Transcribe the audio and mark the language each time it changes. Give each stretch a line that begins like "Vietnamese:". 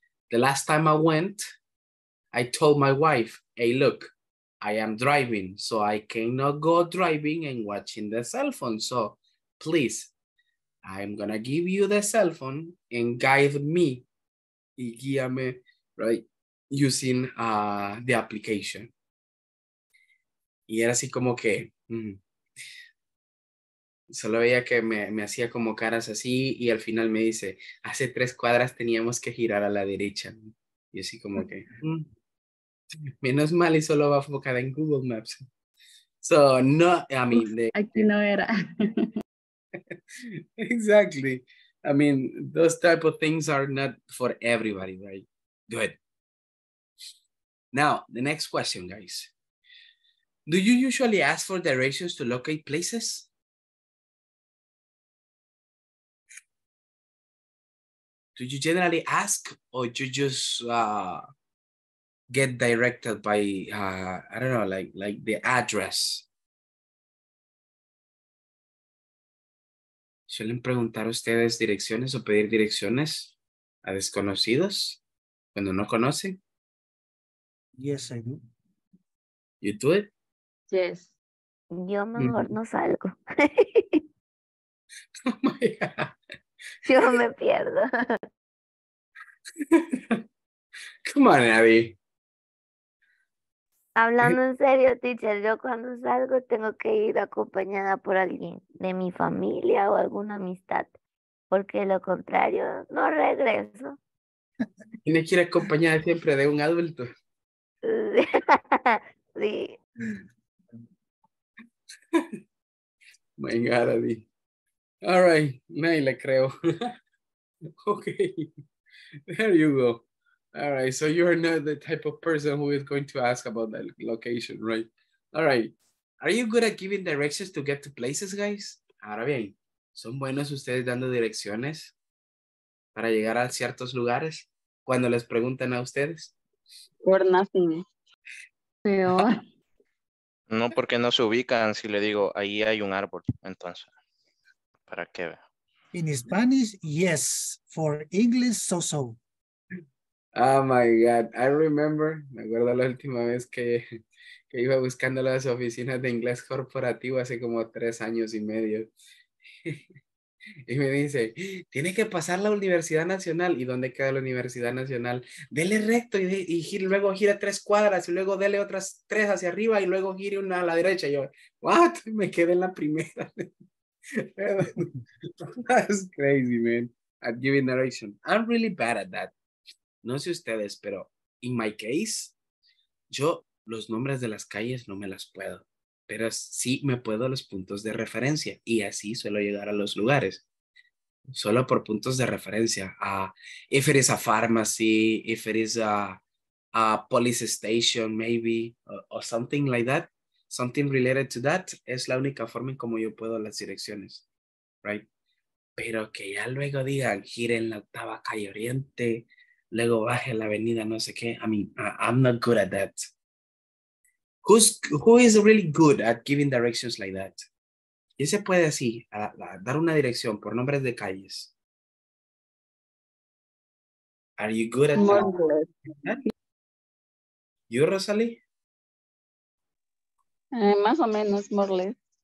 English: The last time I went, I told my wife, hey, look, I am driving, so I cannot go driving and watching the cell phone. So please, I'm going to give you the cell phone and guide me,
Spanish: y guíame,
English: right, using the application.
Spanish: Y era así como que... Solo veía que me hacía como caras así y al final me dice, hace 3 cuadras teníamos que girar a la derecha. Y así como que, menos mal y solo va enfocada en Google Maps.
English: So, no, I mean.
Spanish: Aquí no era.
English: Exactly. I mean, those type of things are not for everybody, right? Good. Now, the next question, guys. Do you usually ask for directions to locate places? Do you generally ask or you just get directed by, I don't know, like the address?
Spanish: ¿Suelen preguntar ustedes direcciones o pedir direcciones a desconocidos cuando no conocen?
English: Yes, I do. You do it? Yes.
Spanish: Yo mejor no salgo.
English: Oh my God.
Spanish: Yo me pierdo.
English: Come on, Abby.
Spanish: Hablando en serio, teacher, yo cuando salgo tengo que ir acompañada por alguien de mi familia o alguna amistad, porque lo contrario no regreso. Tiene que ir acompañada siempre de un adulto. Sí.
English: My God, Abby. All right,
Spanish: nadie le creo.
English: Okay. There you go. All right. So you are not the type of person who is going to ask about that location, right? All right. Are you good at giving directions to get to places, guys?
Spanish: Ahora bien, ¿son buenos ustedes dando direcciones para llegar a ciertos lugares cuando les preguntan a ustedes?
English: For nothing.
Spanish: Peor. No, porque no se ubican. Si le digo, ahí hay un árbol, entonces, ¿para qué?
English: In Spanish, yes. For English, so-so. Oh, my God. I remember,
Spanish: me acuerdo la última vez que iba buscando las oficinas de inglés corporativo hace como 3 años y medio. Y me dice, tiene que pasar la Universidad Nacional. ¿Y dónde queda la Universidad Nacional? Dele recto y luego gire 3 cuadras y luego dele otras 3 hacia arriba y luego gire una a la derecha. Y yo,
English: what?
Spanish: Y me quedé en la primera.
English: That's crazy, man. At giving direction. I'm really bad at that.
Spanish: no sé ustedes, pero
English: in my case,
Spanish: yo los nombres de las calles no me las puedo, pero sí me puedo los puntos de referencia y así suelo llegar a los lugares. Solo por puntos de referencia.
English: If it is a pharmacy, if it is a police station, maybe, or something like that, something related to that,
Spanish: es la única forma en como yo puedo las direcciones,
English: right?
Spanish: Pero que ya luego digan, gire en la octava calle oriente, luego baje la avenida, no sé qué.
English: I mean, I'm not good at that. Who is really good at giving directions like that?
Spanish: ¿Y se puede así, dar una dirección por nombres de calles?
English: Are you good at that? ¿You, Rosalie?
Spanish: Más o menos,
English: more or less.